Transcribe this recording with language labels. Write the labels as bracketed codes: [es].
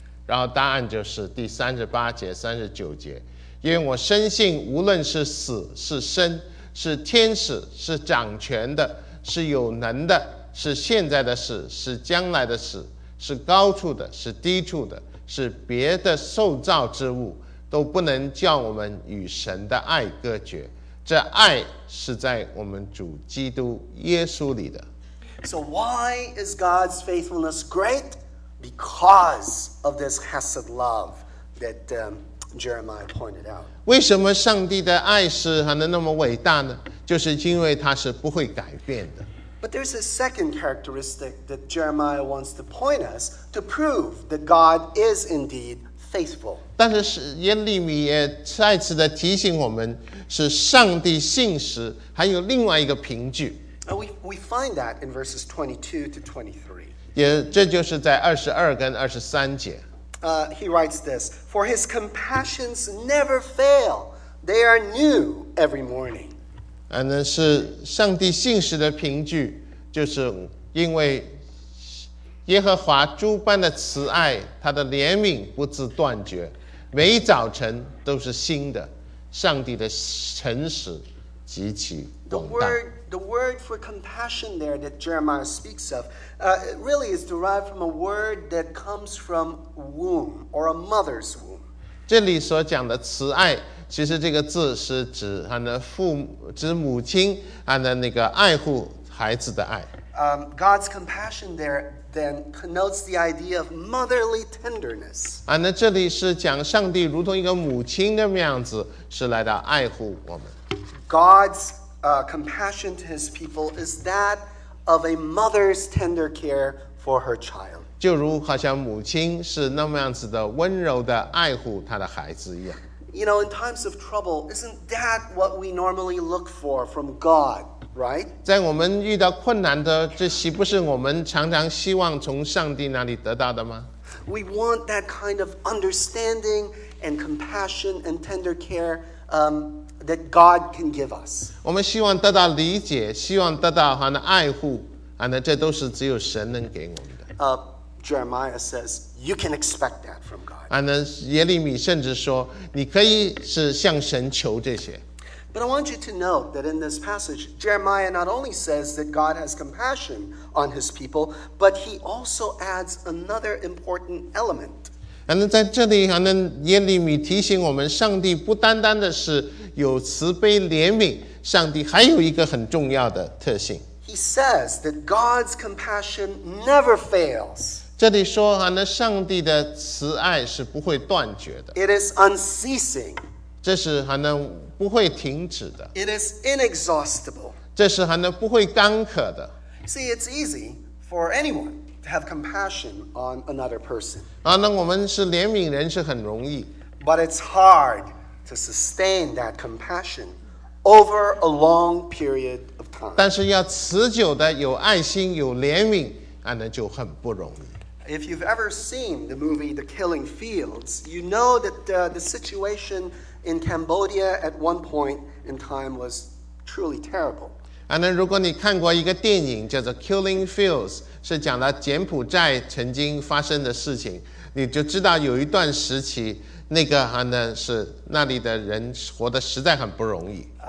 [zh] 然后答案就是第38-39节，因为我深信，无论是死是生，是天使是掌权的，是有能的，是现在的事，是将来的事，是高处的，是低处的，是别的受造之物，都不能叫我们与神的爱隔绝。这爱是在我们主基督耶稣里的。 [en] So why is God's faithfulness great? Because of this chesed love that Jeremiah pointed out. [zh] 为什么上帝的爱是那么伟大呢？就是因为他是不会改变的。 [en] But there's a second characteristic that Jeremiah wants to point us to prove that God is indeed faithful. [zh] 但是耶利米也再次的提醒我们，是上帝信实，还有另外一个凭据。 [en] We find that in verses 22-23. [zh] 也这就是在22跟23节。 [en] He writes this, For his compassions never fail, they are new every morning. [zh] 那是上帝信实的凭据，就是因为耶和华诸般的慈爱，他的怜悯不自断绝，每早晨都是新的，上帝的诚实极其广大。 [en] The word for compassion there that Jeremiah speaks of really is derived from a word that comes from womb or a mother's womb. [zh] 这里所讲的慈爱，其实这个字是指指母亲那个爱护孩子的爱。 [en] God's compassion there then connotes the idea of motherly tenderness. [zh] 那这里是讲上帝如同一个母亲的样子，是来到爱护我们。 [en] God'sCompassion to his people is that of a mother's tender care for her child. [zh] 就如好像母亲是那么样子的温柔的爱护她的孩子一样。 [en] You know, in times of trouble, isn't that what we normally look for from God, right? [zh] 在我们遇到困难的，这岂不是我们常常希望从上帝那里得到的吗？ [en] We want that kind of understanding and compassion and tender care. That God can give us. [zh] 我们希望得到理解，希望得到他的爱护，这都是只有神能给我们的。 [en] Jeremiah says, you can expect that from God. [zh] 耶利米甚至说，你可以是向神求这些。 [en] But I want you to note that in this passage, Jeremiah not only says that God has compassion on his people, but he also adds another important element. [zh] 在这里耶利米提醒我们，上帝不单单的是有慈悲怜悯，上帝还有一个很重要的特性。 [en] He says that God's compassion never fails. [zh] 这里说上帝的慈爱是不会断绝的。 [en] It is unceasing. [zh] 这是不会停止的。 [en] It is inexhaustible. [zh] 这是不会干渴的。 [en] See, it's easy for anyone. Have compassion on another person. [zh] 那我们是怜悯人是很容易。 [en] But it's hard to sustain that compassion over a long period of time. [zh] 但是要持久的有爱心有怜悯，那就很不容易。 [en] If you've ever seen the movie The Killing Fields, you know that the situation in Cambodia at one point in time was truly terrible. [zh] 如果你看过一个电影叫做 Killing Fields。是讲到柬埔寨曾经发生的事情，你就知道有一段时期，是那里的人活得实在很不容易。